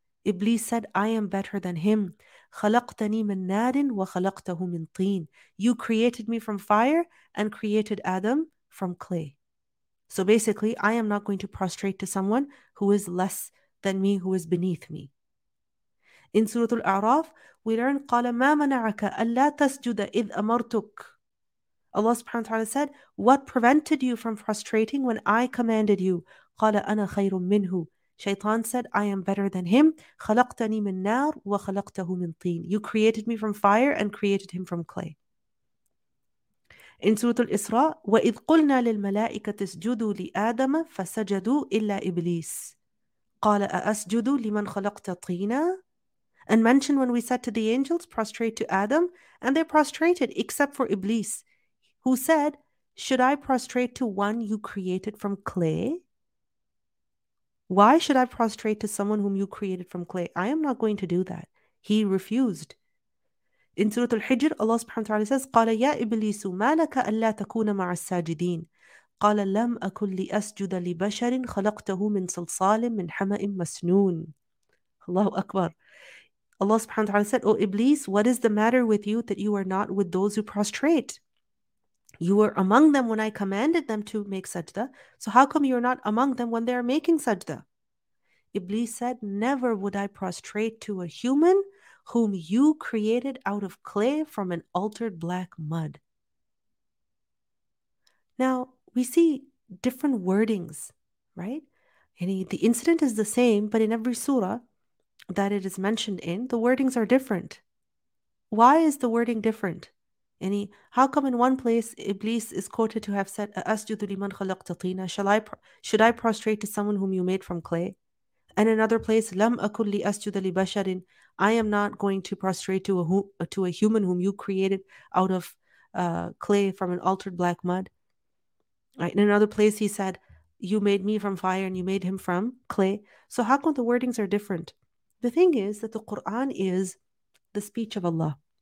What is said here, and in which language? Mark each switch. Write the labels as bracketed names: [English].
[English] Iblis said, I am better than him. [Arabic] خَلَقْتَنِي مِن نَارٍ وَخَلَقْتَهُ مِن طِينٍ. [English] You created me from fire and created Adam from clay. So basically, I am not going to prostrate to someone who is less than me, who is beneath me. In Surah Al-A'raf, we learn, [Arabic] قَالَ مَا مَنَعَكَ أَلَّا تَسْجُدَ إِذْ أَمَرْتُكَ. [English] Allah subhanahu wa ta'ala said, what prevented you from prostrating when I commanded you? [Arabic] قَالَ أَنَا خَيْرٌ مِّنْهُ. [English] Shaitan said, I am better than him. [Arabic] خَلَقْتَنِي مِن نَار وَخَلَقْتَهُ مِن طِينَ. [English] You created me from fire and created him from clay. [Arabic] In Surah Al-Isra, وَإِذْ قُلْنَا لِلْمَلَائِكَةِ اسْجُدُوا لِآدَمَ فَسَجَدُوا إِلَّا إِبْلِيسَ. قَالَ أَأَسْجُدُ لِمَنْ خَلَقْتَ طِينَا. [English] And mention when we said to the angels, prostrate to Adam, and they prostrated except for Iblis, who said, should I prostrate to one you created from clay? Why should I prostrate to someone whom you created from clay? I am not going to do that. He refused. In Surah Al-Hijr, Allah subhanahu wa ta'ala says, [Arabic] قَالَ يَا إِبْلِيسُ مَا لَكَ أَلَّا تَكُونَ مَعَ السَّاجِدِينَ. قَالَ لَمْ أَكُلْ لِأَسْجُدَ لِبَشَرٍ خَلَقْتَهُ مِنْ صَلْصَالٍ مِنْ حَمَئٍ مَسْنُونَ. Allahu Akbar. [English] Allah subhanahu wa ta'ala said, O Iblis, what is the matter with you that you are not with those who prostrate? You were among them when I commanded them to make sajda. So how come you are not among them when they are making sajda? Iblis said, never would I prostrate to a human whom you created out of clay from an altered black mud. Now, we see different wordings, right? And the incident is the same, but in every surah that it is mentioned in, the wordings are different. Why is the wording different? Any, how come in one place Iblis is quoted to have said, [Arabic] أَأَسْجُدُ لِمَنْ خَلَقْتَ طِينَ. [English] Should I prostrate to someone whom you made from clay? And another place, [Arabic] لَمْ أَكُلْ لِأَسْجُدَ لِبَشَرٍ. [English] I am not going to prostrate to a human whom you created out of clay from an altered black mud. Right? In another place he said, you made me from fire and you made him from clay. So how come the wordings are different? The thing is that the Quran is the speech of Allah.